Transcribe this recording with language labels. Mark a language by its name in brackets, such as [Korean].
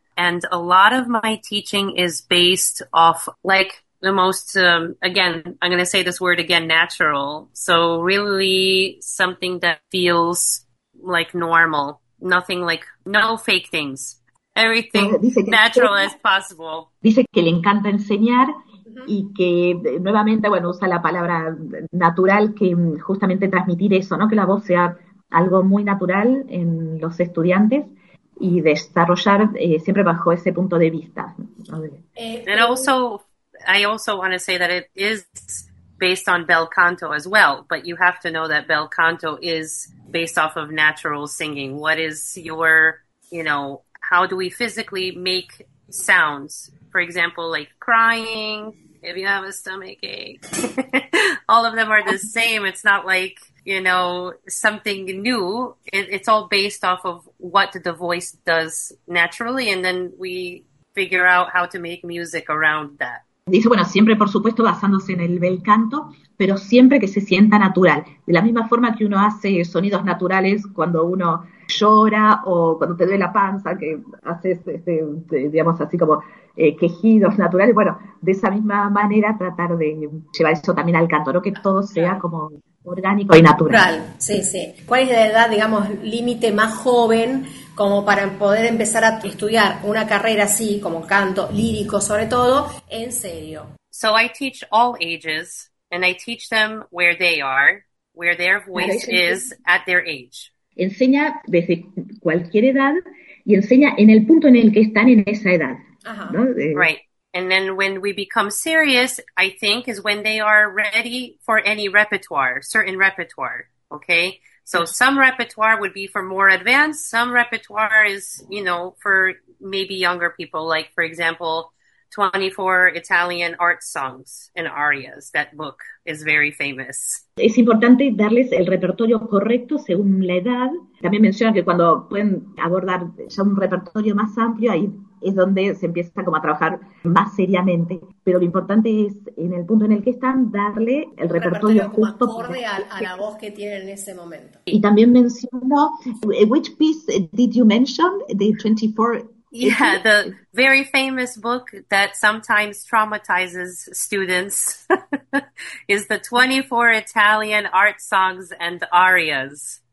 [English] And a lot of my teaching is based off, like, the most, again, I'm going to say this word again, natural. So really something that feels like normal, nothing like, no fake things, everything natural as possible. [Spanish] Dice que le encanta enseñar y que nuevamente, bueno, usa la palabra natural, que justamente transmitir eso, ¿no? Que la voz sea algo muy natural en los estudiantes. Y desarrollar siempre bajo ese punto de vista. [English] And also, I also want to say that it is based on bel canto as well, but you have to know that bel canto is based off of natural singing. What is your, you know, how do we physically make sounds? For example, like crying, if you have a stomach ache, all of them are the same. It's not like, you know, something new. It's all based off of what the voice does naturally, and then we figure out how to make music around that. [Spanish] Dice, bueno, siempre, por supuesto, basándose en el bel canto, pero siempre que se sienta natural. De la misma forma que uno hace sonidos naturales cuando uno llora o cuando te duele la panza, que haces, digamos, así como quejidos naturales. Bueno, de esa misma manera tratar de llevar eso también al canto, ¿no? Que todo sea como orgánico y natural. Sí, sí. ¿Cuál es la edad, digamos, límite más joven como para poder empezar a estudiar una carrera así, como canto, lírico sobre todo, en serio? [English] So I teach all ages, and I teach them where they are, where their voice is at their age. [Spanish] Enseña desde cualquier edad y enseña en el punto en el que están en esa edad. Ajá. Right. [English] And then when we become serious, I think, is when they are ready for any repertoire, certain repertoire, okay? So some repertoire would be for more advanced. Some repertoire is, you know, for maybe younger people, like, for example, 24 Italian art songs and arias. That book is very famous. [Spanish] Es importante darles el repertorio correcto según la edad. También menciona que cuando pueden abordar ya un repertorio más amplio, ahí es donde se empieza como a trabajar más seriamente. Pero lo importante es, en el punto en el que están, darle el repertorio justo. Acorde a la voz que tienen en ese momento. [English] Y también mencionó, which piece did you mention, the 24... Yeah, the very famous book that sometimes traumatizes students is the 24 Italian art songs and arias.